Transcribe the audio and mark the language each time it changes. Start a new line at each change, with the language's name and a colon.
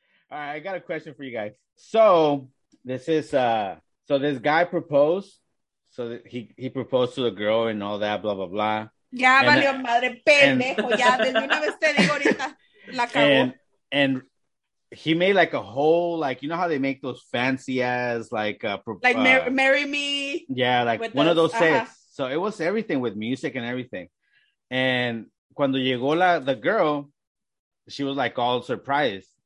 English: All right, I got a question for you guys. So this is so this guy proposed. So that he proposed to the girl and all that, blah blah blah.
Spanish: Ya valió madre, pendejo, ya, desde una vez te digo ahorita, la
English: cagó. And he made like a whole, like, you know how they make those fancy ass, like, marry me. Yeah, like one of those sets. Uh-huh. So it was everything with music and everything. And
Spanish: cuando llegó
English: the girl, she was like all surprised.